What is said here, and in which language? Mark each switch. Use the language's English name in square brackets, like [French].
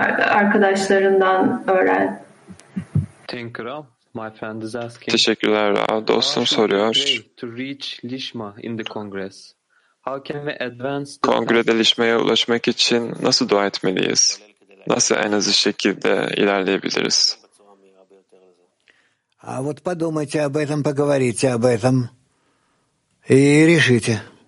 [Turkish] Arkadaşlarından öğren. [English] Tinkram. My friend is asking. [Turkish] Teşekkürler. Dostum soruyor. [English] To reach Lishma in the Congress. How can we advance? [Turkish] Kongrede Lishma'ya ulaşmak için nasıl dua etmeliyiz? Nasıl en hızlı şekilde ilerleyebiliriz? [Russian] А вот подумайте об этом, поговорите об этом и решите.